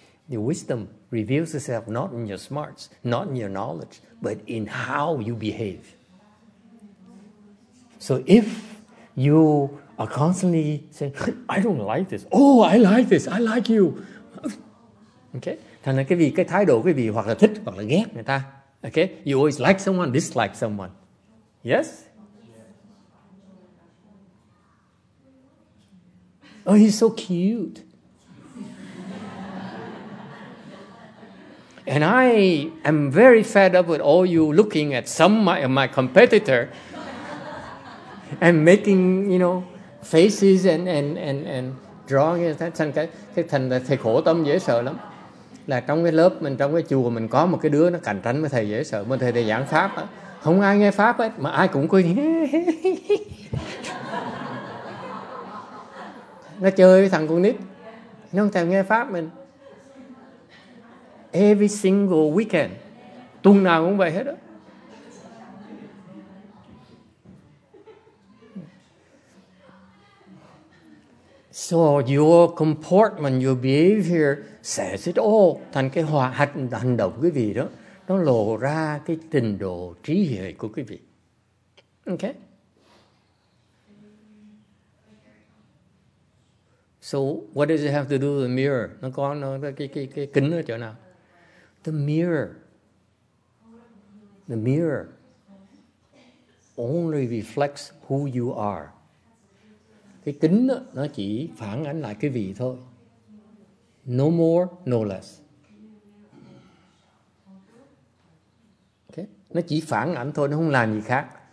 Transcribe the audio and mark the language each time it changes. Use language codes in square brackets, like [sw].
[en] The wisdom reveals itself not in your smarts, not in your knowledge, but in how you behave. So if you are constantly saying, I don't like this. Oh, I like this. I like you. Okay? [vi] Thành ra quý vị, cái thái độ quý vị hoặc là thích hoặc là ghét người ta. [en] Okay? You always like someone, dislike someone. Yes? Oh, he's so cute. And I am very fed up with all you looking at some of my competitor and making, you know, faces and drawing it. [vi] Thành cái khổ tâm dễ sợ lắm. Là trong cái lớp mình, trong cái chùa mình có một cái đứa nó cạnh tranh với thầy dễ sợ. Mà thầy giảng Pháp á, không ai nghe Pháp hết, mà ai cũng cười. Nó chơi với thằng con nít, nó không thèm nghe Pháp mình. [en] Every single weekend, [vi] tuần nào cũng vậy hết đó. [en] So your comportment, your behavior says it all. [vi] Thành cái hành động quý vị đó, nó lộ ra cái trình độ trí huệ của quý vị. [en] Okay? So what does it have to do with the mirror? [vi] Nó có cái kính ở chỗ nào? [en] The mirror only reflects who you are. [vi] Cái kính đó, nó chỉ phản ánh lại cái vị thôi. [en] No more, no less. [vi] Okay? Nó chỉ phản ánh thôi, nó không làm gì khác.